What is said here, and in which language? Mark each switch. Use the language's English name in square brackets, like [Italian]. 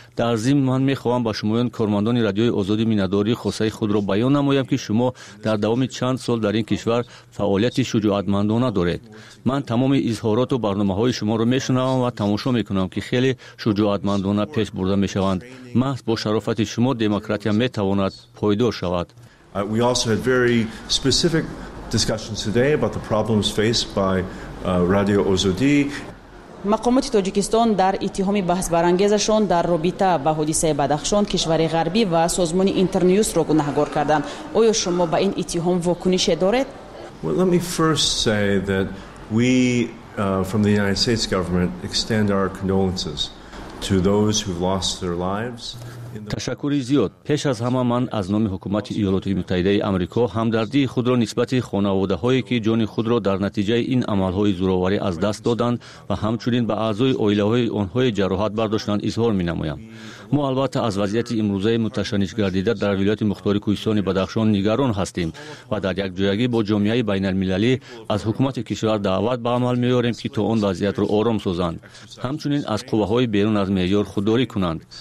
[Persian] در ضمن من می خواهم با شمایان کارمندان رادیوی آزادی مینداری خواسته خود را بیان نمایم که شما در دوام چند سال در این کشور فعالیت شجاعتمندانه دارید. من تمام اظهارات و برنامه های شما را می شنوم و تماشا می کنم که خیلی شجاعتمندانه پیش برده می شوند. محض با شرافت شما دموکراسی می تواند پایدار شود. [English] We also had very specific discussions today about the problems faced by Radio Ozodi. [Persian] مقامات تاجیکستان در اتهام بحث برانگیزشان در رابطه با حادثه بدخشان کشور غربی و سازمان اینترنیوز را گناهکار کردند. آیا شما به این اتهام واکنش دارید؟ [English] Well, let me first say that we from the United States government extend our condolences to those who've lost their lives. [Persian] تشکر زیاد. پیش از همه من از نام حکومت ایالات متحده آمریکا همدردی خود را نسبت خانواده هایی که جان خود را در نتیجه این عمل های زورآوری از دست دادند و همچنین به اعضای آیله های آنهای جراحت برداشتند اظهار می نمایم. ما البته از وضعیت امروزه متشنج گردیده در ولایت مختار کوهستان بدخشان نگران هستیم و در یک جویگی با جامعه بین المللی از حکومت کشور دعوت به عمل می آوریم که تا آن وضعیت را آرام سازند، همچنین از قوه های بیرون از معیار خودداری کنند.